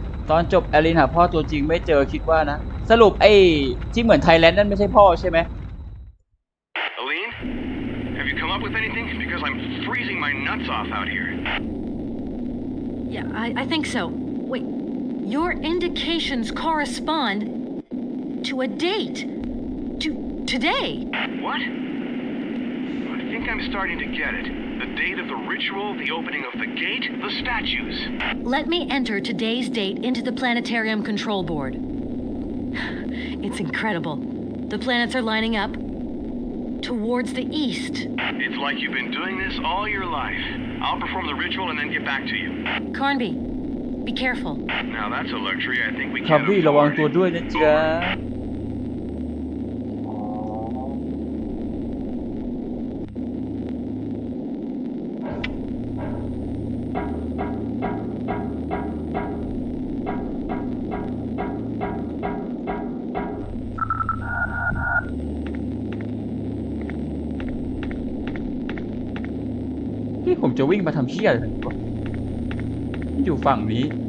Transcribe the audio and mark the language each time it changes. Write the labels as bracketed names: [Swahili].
[Thai] ตอนจบแอลินหาพ่อตัวจริงไม่เจอคิดว่านะสรุปไอ้ที่เหมือนไทยแลนด์นั่นไม่ใช่พ่อใช่ไหมแ [English] อลิน have you come up with anything because I'm freezing my nuts off out here yeah I think so wait your indications correspond to a date to today what I think I'm starting to get itThe date of the ritual, the opening of the gate, the statues. Let me enter today's date into the planetarium control board. It's incredible. The planets are lining up towards the east. It's like you've been doing this all your life. I'll perform the ritual and then get back to you. Carnby, be careful. Now that's a luxury I think we can afford. [Thai] Carnby, ระวังตัวด้วยนะจ๊ะผมจะวิ่งมาทำเชี่ยเลยอยู่ฝั่งนี